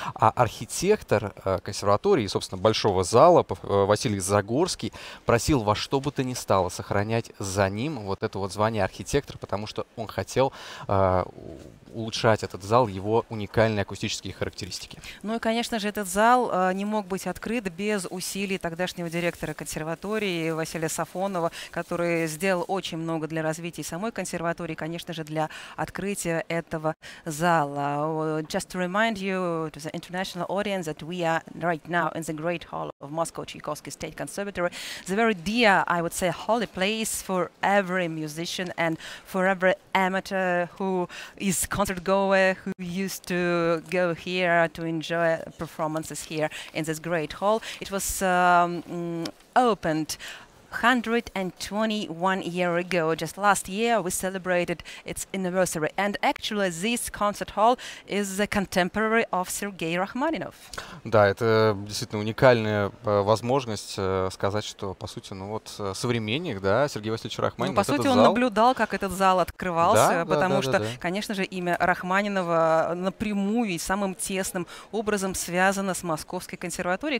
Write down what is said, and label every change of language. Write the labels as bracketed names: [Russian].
[Russian] А архитектор консерватории и, собственно, Большого зала Василий Загорский просил во что бы то ни стало сохранять за ним вот это вот звание архитектора, потому что он хотел улучшать этот зал, его уникальные акустические характеристики. Ну и, конечно же, этот зал не мог быть открыт без усилий тогдашнего директора консерватории Василия Сафонова, который сделал очень много для развития самой консерватории, конечно же, для открытия этого зала. [English] Just to remind you to the international audience that we are right now in the Great Hall of Moscow Tchaikovsky State Conservatory, the very dear, I would say, holy place for every musician and for every amateur who is concertgoer, who used to go here to enjoy performances here in this great hall. It was opened 121 years ago. Just last year we celebrated its anniversary. And actually this concert hall is a contemporary of Sergei Rachmaninoff. [Russian] Да, это действительно уникальная возможность сказать, что, по сути, ну вот, современник, да, Сергей Васильевич Рахманинов. Ну, по сути, зал... он наблюдал, как этот зал открывался, потому что, да, да. Конечно же, имя Рахманинова напрямую и самым тесным образом связано с Московской консерваторией.